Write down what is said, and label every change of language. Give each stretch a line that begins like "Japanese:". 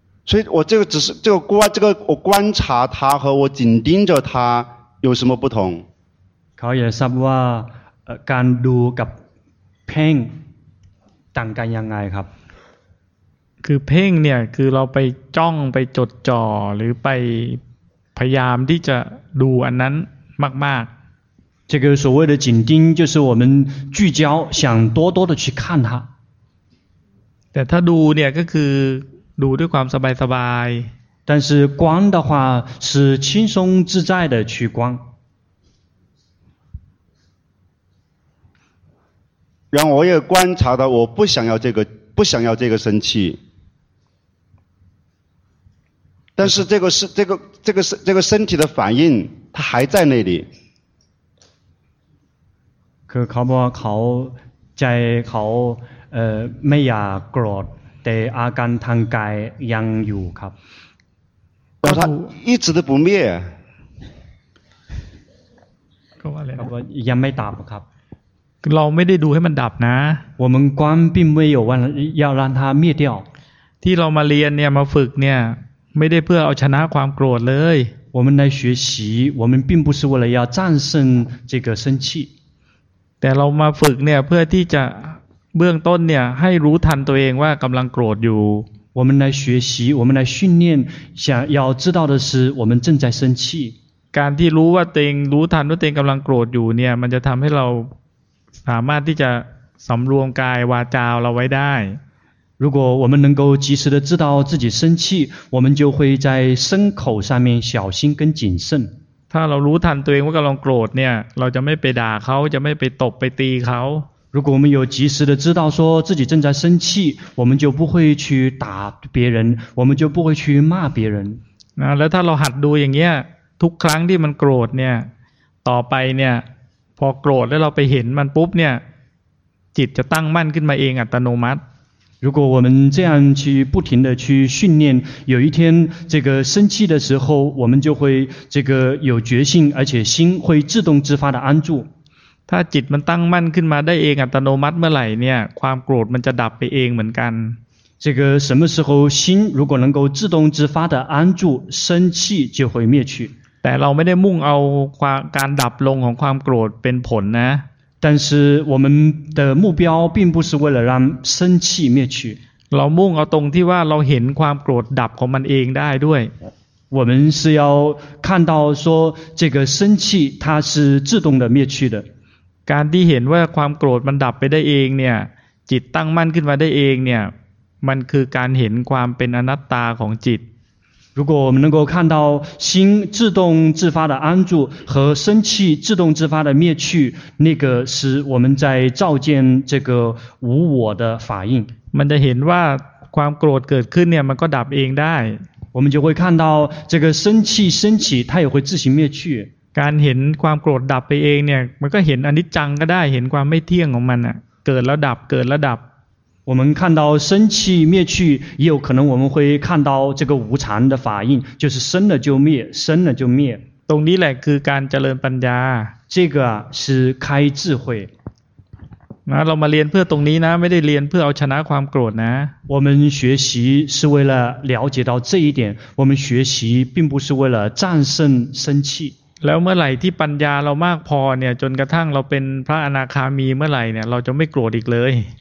Chinese: 所以我这个只是这个观这个我观察他和我紧盯着他有什么不同
Thai: เขาอยากทราบว่าการดูกับเพ่งต่างกันยังไงครับ คือเพ่งเนี่ยคือเราไปจ้องไปจดจ่อหรือไปพยายามที่จะดูอันนั้นมากๆ
Chinese: 这个所谓的紧盯就是我们聚焦想多多的去看它
Thai: แต่ถ้าดูเนี่ยก็คือดูด้วยความสบายสบาย
Chinese: 但是观的话是轻松自在的去观然后我也观察到我不想要这个不想要这个生气但是这个身体的反应它还在那里
Thai: คือเขาบอกว่าเขาใจเขาไม่อยากโกรธแต่อาการทางกายยังอยู่ครับ แล้วเขา
Chinese: 一直都不灭เ
Thai: ขาว่าอะไรครับยังไม่ดับครับ เราไม่ได้ดูให้มันดับนะ
Chinese: 我们观并没有要让它灭掉
Thai: ที่เรามาเรียนเนี่ยมาฝึกเนี่ยไม่ได้เพื่อเอาชนะความโกรธเลย
Chinese: 我们来学习我们并不是为了要战胜这个生气
Thai: แต่เรามาฝึกเนี่ยเพื่อที่จะเบื้องต้นเนี่ยให้รู้ทันตัวเองว่ากำลังโกรธอยู่
Chinese: 我们来学习我们来训练想要知道的是我们正在生气
Thai: การที่รู้ว่าตัวเองรู้ทันว่าตัวเองกำลังโกรธอยู่เนี่ยมันจะทำให้เราสามารถที่จะสำรวมกายวาจาเราไว้ได้
Chinese: 如果我们能够及时的知道自己生气，我们就会在身口上面小心跟谨慎。
Thai: ถ้าเรารู้ทันตัวเองว่ากำลังโกรธเนี่ยเราจะไม่ไปด่าเขาจะไม่ไปตบไปตีเขา
Chinese: 如果我们有及时的知道说自己正在生气，我们就不会去打别人，我们就不会去骂别人。
Thai: 那แล้วถ้าเราหัดดูอย่างเงี้ยทุกครั้งที่มันโกรธเนี่ยต่อไปเนี่ยพอโกรธแล้วเราไปเห็นมันปุ๊บเนี่ยจิตจะตั้งมั่นขึ้นมาเองอัตโนมัติ
Chinese: 如果我们这样去不停的去训练，有一天这个生气的时候，我们就会这个有决心，而且心会自动自发的安住。
Thai: ถ้าจิตมันตั้งมั่นขึ้นมาได้เองอัตโนมัติเมื่อไหร่เนี่ยความโกรธมันจะดับไปเองเหมือนกัน
Chinese: 这个什么时候心如果能够自动自发的安住，生气就会灭去。
Thai: แต่เราไม่ได้มุ่งเอาการดับลงของความโกรธเป็นผลนะ
Chinese: 但是我们的目标并不是为了让生气灭去。
Thai: เรามุ่งเอาตรงที่ว่าเราเห็นความโกรธดับของมันเองได้ด้วย
Chinese: 我们是要看到说这个生气它是自动的灭去的。
Thai: การที่เห็นว่าความโกรธมันดับไปได้เองเนี่ยจิตตั้งมั่นขึ้นมาได้เองเนี่ยมันคือการเห็นความเป็นอนัตตาของจิต
Chinese: 如果我们能够看到心自动自发的安住和生气自动自发的灭去那个是我们在照见这个无我的法印
Thai: มันจะเห็นว่าความโกรธเกิดขึ้นเนี่ยมันก็ดับเองได้
Chinese: 我们就会看到这个生气升起它也会自行灭去
Thai: การเห็นความโกรธดับไปเองเนี่ยมันก็เห็นอนิจจังก็ได้เห็นความไม่เที่ยงของมันอ่ะเกิดแล้วดับเกิดแล้วดับ
Chinese: 我们看到生气灭去也有可能我们会看到这个无常的法印就是生了就灭生了就灭
Thai: ตรงนี้แหละคือการเจริญปัญญา
Chinese: 这个是开智慧
Thai: นะเรามาเรียนเพื่อตรงนี้นะไม่ได้เรียนเพื่อเอาชนะความโกรธนะ
Chinese: 我们学习是为了了解到这一点我们学习并不是为了战胜生气
Thai: แล้วเมื่อไหร่ที่ปัญญาเรามากพอเนี่ยจนกระทั่งเราเป็นพระอนาคามีเมื่อไหร่เนี่ยเราจะไม่โกรธอีกเลย